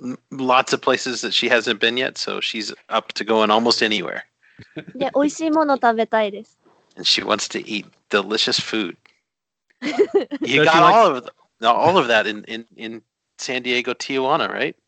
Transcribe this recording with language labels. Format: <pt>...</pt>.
<en>lots of places that she hasn't been yet, so she's up to going almost anywhere.</en> <ja>で、美味しいもの食べたいです。And</ja> <en>she wants to eat delicious food. You got all of that in San Diego, Tijuana, right?</en>